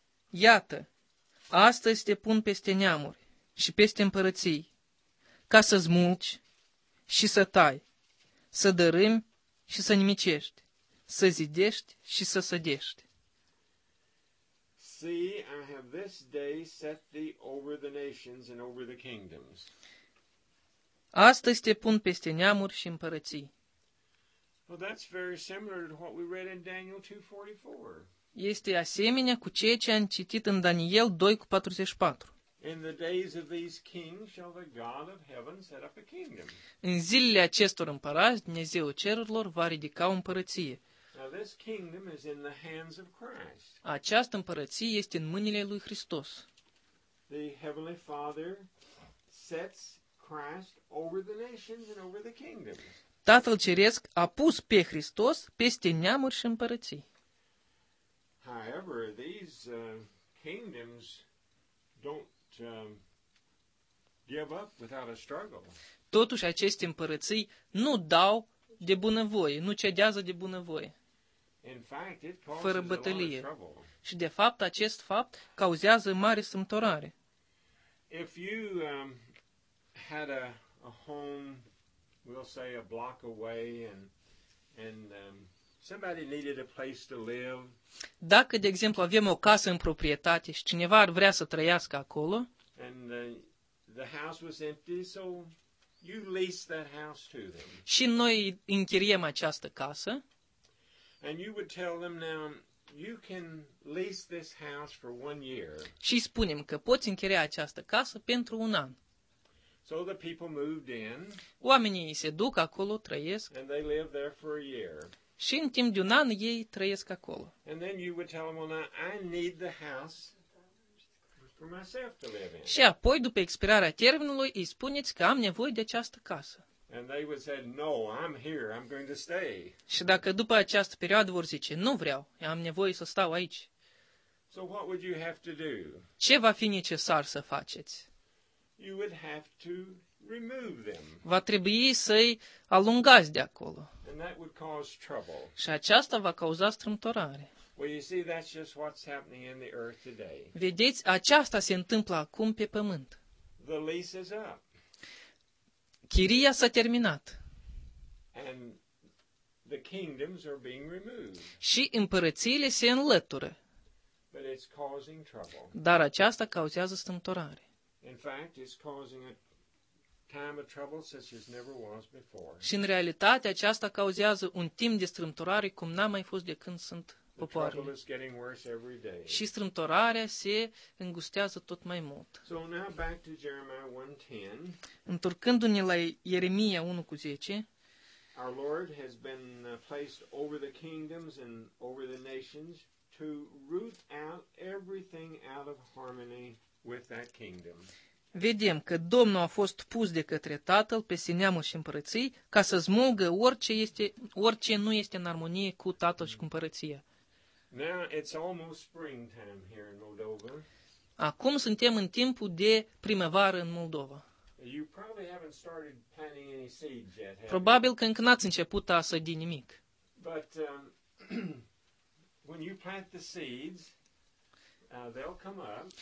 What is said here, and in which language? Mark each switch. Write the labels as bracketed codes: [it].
[ro] Iată, astăzi te pun peste neamuri și peste împărății, ca să zmulci și să tai, să dărâmi și să nimicești, să zidești și să sădești. [en] See, I have this day set thee over the nations and over the kingdoms. [ro] Astăzi te pun peste neamuri și împărății. [en] Well, that's very similar to what we read in Daniel 2:44. [ro] Este asemenea cu ceea ce am citit în Daniel 2:44. [en] In the days of these kings shall the God of heaven set up a kingdom. [ro] În zilele acestor împărați, Dumnezeu cerurilor va ridica o împărăție. [en] Now this kingdom is in the hands of Christ. [ro] Această împărăție este în mâinile lui Hristos. [en] The heavenly Father sets Christ over the nations and over the kingdoms. [ro] Tatăl ceresc a pus pe Hristos peste neamuri și împărății. [en] However, these kingdoms don't give up without a struggle. [ro] Totuși aceste împărății nu dau de bunăvoie, nu cedează de bunăvoie. [en] In fact, it causes [ro] fără bătălie. [en] A lot of trouble. [ro] Și de fapt, acest fapt cauzează mare strâmtorare. [en] If you had a home, we'll say a block away, and somebody needed a place to live. [ro] Dacă, de exemplu, avem o casă în proprietate și cineva ar vrea să trăiască acolo, [en] and the house was empty, so you lease that house to them. [ro] Și noi închiriem această casă. [en] And you would tell them now you can lease this house for 1 year. [ro] Și spunem că poți închiria această casă pentru un an. [en] So the people moved in. [ro] Oamenii se duc acolo, trăiesc. [en] And they live there for a year. [ro] Și în timp de un an ei trăiesc acolo. [en] And then you would tell them, well, now I need the house for myself to live in. [ro] Și apoi după expirarea termenului îi spuneți că am nevoie de această casă. [en] And they would say, no, I'm here, I'm going to stay. [ro] Și dacă după această perioadă vor zice, nu vreau, am nevoie să stau aici. [en] So what would you have to do? [ro] Ce va fi necesar să faceți? [en] You would have to remove them. [ro] Va trebui să-i alungați de acolo. [en] And that would cause trouble. [ro] Și aceasta va cauza strâmtorare. [en] Well, you see, that's just what's happening in the earth today. [ro] Vedeți, aceasta se întâmplă acum pe pământ. [en] The lease is up. [ro] Chiria s-a terminat. [en] And the kingdoms are being removed. [ro] Și împărățiile se înlătură. [en] But it's causing trouble. [ro] Dar aceasta cauzează strâmtorare. [en] In fact, it's causing a time of trouble such as never was before. [ro] Și în realitate aceasta cauzează un timp de strâmtorare cum n-a mai fost de când sunt popoarele. Și strâmtorarea se îngustează tot mai mult. [en] So now back to Jeremiah 1:10. [ro] Întorcându-ne la Ieremia 1:10. [en] Our Lord has been placed over the kingdoms and over the nations to root out everything out of harmony with that kingdom. [ro] Vedem că Domnul a fost pus de către Tatăl peste neamuri și împărății ca să smulgă orice nu este în armonie cu Tatăl și cu împărăția. [en] Now it's almost springtime here in Moldova. [ro] Acum suntem în timpul de primăvară în Moldova. [en] You probably haven't started planting any seeds yet, have [ro] Probabil că încă n-ați început a sădi nimic. [en] But when you plant the seeds, they'll come up.